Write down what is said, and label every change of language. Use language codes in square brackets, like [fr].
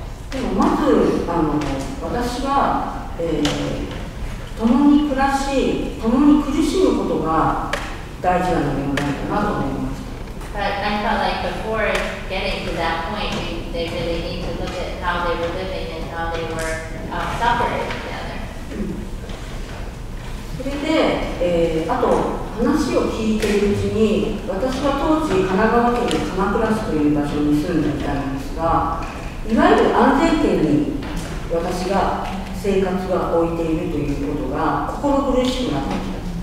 [ja] でもまず私は、共に暮らし、共に苦しむことが大事なのではないかなと思いました。 [en] But I felt like before getting to that point, they really need to look at how they were living and how they were suffering together. [ja] それで、あと話を聞いているうちに、私は当時神奈川県の鎌倉市という場所に住んでいたんですが、いわゆる安全圏に私が生活は置いているということが心苦しくなってきました。